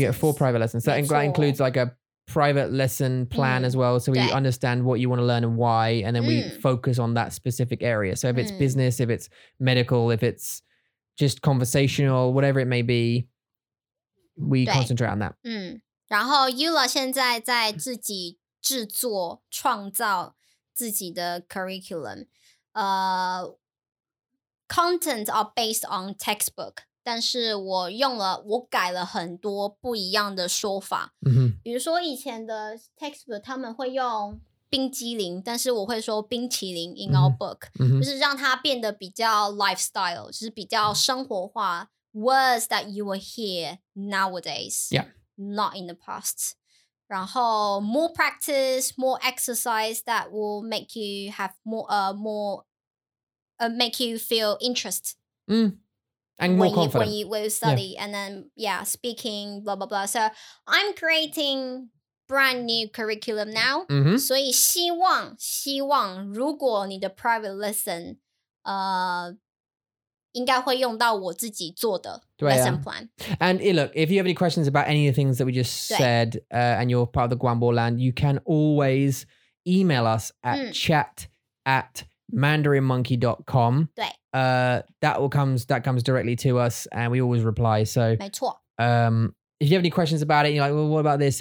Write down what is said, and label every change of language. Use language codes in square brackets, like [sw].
[en] You get four private lessons. So that includes like a private lesson plan as well. So we understand what you want to learn and why. And then we focus on that specific area. So if it's business, if it's medical, if it's just conversational, whatever it may be, we concentrate on that. [zh] 然后 Yula 现在在自己制作、创造自己的 curriculum. [en] Contents are based on textbook, [zh] 但是我改了很多不一样的说法. [en] Mm-hmm. [zh] 比如说以前的 textbook 他们会用冰激凌, 但是我会说冰淇淋 in our book, 就是让它变得比较 lifestyle, 就是比较生活化 [en] words that you will hear nowadays. Yeah. Not in the past. [zh] 然后 [en] more practice, more exercise that will make you have more make you feel interest. And more confident. When you study and then, speaking, blah, blah, blah. So I'm creating brand new curriculum now. Mm-hmm. [zh] 所以希望 如果你的 private lesson, 应该会用到我自己做的 lesson plan. [en] And look, if you have any questions about any of the things that we just said and you're part of the Guangbo land, you can always email us at chat@mandarinmonkey.com. That comes directly to us and we always reply. So if you have any questions about it, you're like, well, what about this?